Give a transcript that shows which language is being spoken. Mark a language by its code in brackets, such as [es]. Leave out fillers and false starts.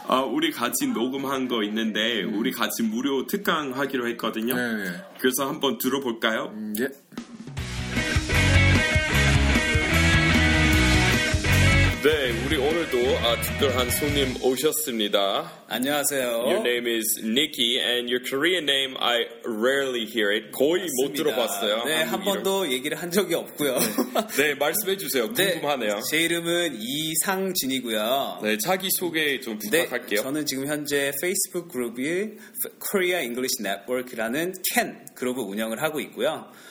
[ko] 아, 우리 같이 녹음한 거 있는데 우리 같이 무료 특강 하기로 했거든요. 예, 예. 그래서 한번 들어볼까요? 예. 네, 우리 오늘도 특별한 손님 오셨습니다. 안녕하세요. [en] Your name is Nikki, and your Korean name, I rarely hear it. [ko] 거의 맞습니다. 못 들어봤어요. 네, 한 번도 얘기를 한 적이 없고요. 네, 말씀해 주세요. 궁금하네요. 네, 제 이름은 이상진이고요. 네, 자기소개 좀 부탁할게요. 네, 저는 지금 현재 페이스북 그룹이 Korea English Network라는 Ken 그룹을 운영을 하고 있고요.